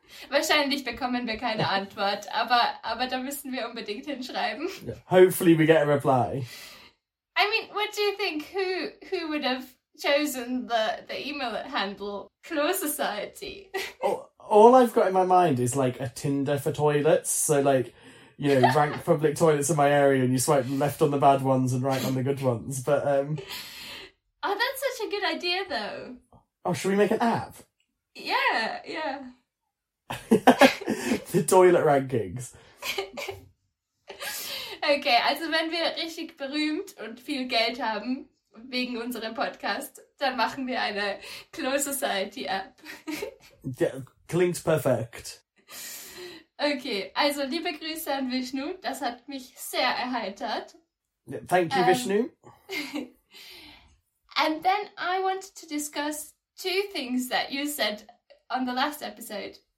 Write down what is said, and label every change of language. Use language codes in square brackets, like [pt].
[de] Wahrscheinlich bekommen wir keine Antwort, aber da müssen wir unbedingt hinschreiben. [en] Hopefully we get a reply. I mean, what do you think? Who would have chosen the email handle Close Society? All I've got in my mind is like a Tinder for toilets. So like, you know, rank public toilets in my area and you swipe left on the bad ones and right on the good ones. But, Oh, that's such a good idea, though. Oh, should we make an app? Yeah. The toilet rankings. [de] Okay, also wenn wir richtig berühmt und viel Geld haben wegen unserem Podcast, dann machen wir eine Close Society App. Yeah, klingt perfekt. Okay, also liebe Grüße an Vishnu, das hat mich sehr erheitert. [en] Thank you, Vishnu. And then I wanted to discuss two things that you said on the last episode.